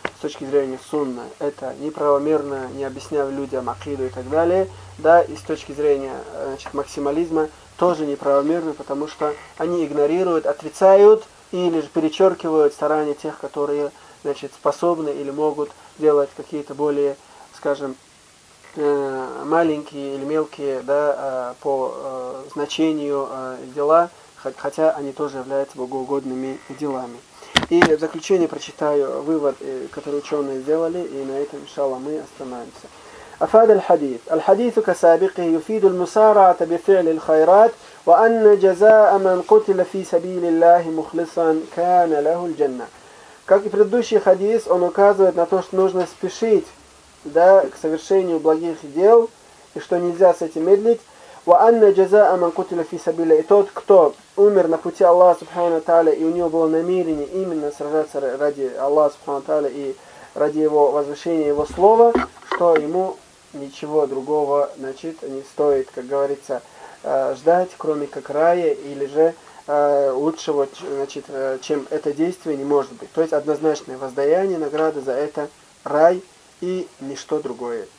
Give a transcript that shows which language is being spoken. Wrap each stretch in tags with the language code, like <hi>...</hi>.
<ru>с точки зрения сунны это неправомерно, не объясняя людям акиду и так далее, да, и с точки зрения, значит, максимализма тоже неправомерно, потому что они игнорируют, отрицают или же перечеркивают старания тех, которые, значит, способны или могут делать какие-то более, скажем, маленькие или мелкие, да, по значению дела, хотя они тоже являются богоугодными делами. И в заключение прочитаю вывод, который ученые сделали, и на этом, иншаллах, мы остановимся.</ru> <ar>أفاد الحديث الحديث كسابقه يفيد المسارعة بفعل الخيرات وأن جزاء من قتل في سبيل الله مخلصا كان له الجنة.</ar> <ru>Как и предыдущий хадис, он указывает на то, что нужно спешить, да, к совершению благих дел и что нельзя с этим медлить.</ru> <ar>وأن جزاء من قتل في سبيل الله,</ar> <ru>и тот, кто умер на пути Аллаха Субхана Тааля и у него было намерение именно сражаться ради Аллаха Субхана Тааля и ради его возвышения, его слова, что ему ничего другого, значит, не стоит, как говорится, ждать, кроме как рая, или же лучшего, значит, чем это действие, не может быть. То есть однозначное воздаяние, награда за это, рай и ничто другое.</ru>